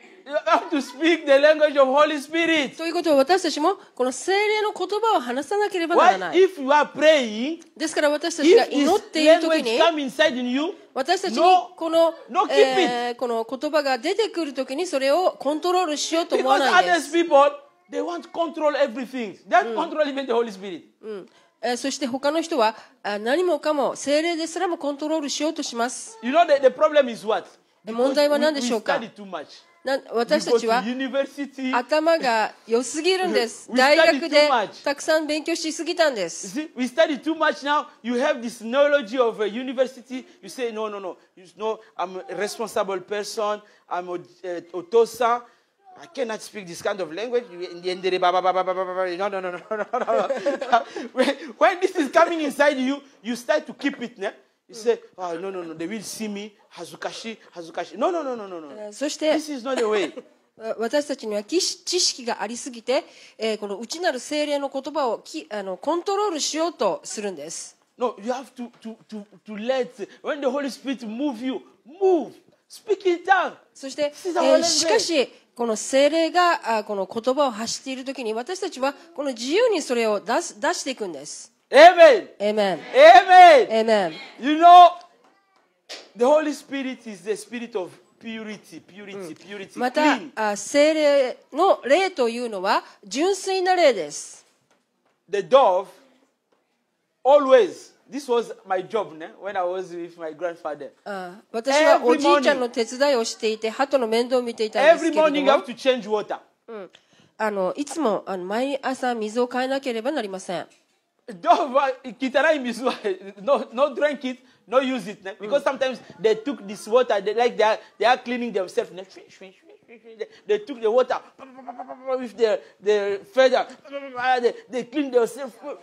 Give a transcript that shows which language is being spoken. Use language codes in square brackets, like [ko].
[en] You have to speak the language of Holy Spirit. [ja] ということは、私たちもこの聖霊の言葉を話さなければならない。 [en] If you are praying, [ja] ですから私たちが祈っているときに、 [en] if this language comes inside in you, [ja] 私たちにこの、この言葉が出てくるときにそれをコントロールしようと思わないです。 [en] Because other people, they want to control everything. They want to control even the Holy Spirit. [ja] そして他の人は何もかも聖霊ですらもコントロールしようとします。 [en] You know the problem is what? [ja] 問題は何でしょうか。 [en] We study too much. [ja] 私たちは頭が良すぎるんです。大学でたくさん勉強しすぎたんです。 [en] We study too much now. You have this neurology of a university. You say, no, no, no. You know, I'm a responsible person. I'm otosa. I cannot speak this kind of language. No. When this is coming inside you, you start to keep it, ne? You say, oh, no, they will see me, hazukashi. No. [ja] そして、 [en] This is not the way. [ja] 私たちには知識がありすぎて、この内なる聖霊の言葉をコントロールしようとするんです。 [en] No, you have to let, when the Holy Spirit move you, move, speak in tongues. [ja] そして、しかし、この聖霊がこの言葉を発しているときに、私たちはこの自由にそれを出していくんです。 [en] Amen. Amen. Amen. Amen. You know, the Holy Spirit is the spirit of purity. [ja] また、聖霊の霊というのは純粋な霊です。 [en] The dove always, this was my job, ne? When I was with my grandfather. [ja] 私はおじいちゃんの手伝いをしていて、鳩の面倒を見ていたんですけれども。 [en] Every morning, I have to change water. [ja] いつも毎朝水を変えなければなりません。 [en] Dove, [ja] 汚い水は、 [en] no drink it. No use it, ne? Because sometimes they took this water, they are cleaning themselves, ne? They took the water with their feather, they clean themselves.